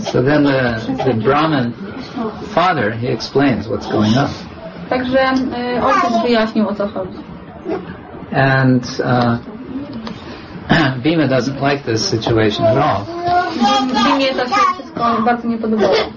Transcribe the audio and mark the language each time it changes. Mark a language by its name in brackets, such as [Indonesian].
[English] So then the Brahmin father, he explains what's going on. [Polish] Także ojciec wyjaśnił, o co chodzi. [English] And Bhima doesn't like this situation at all. [Polish] Bhimie to się wszystko bardzo nie podobało.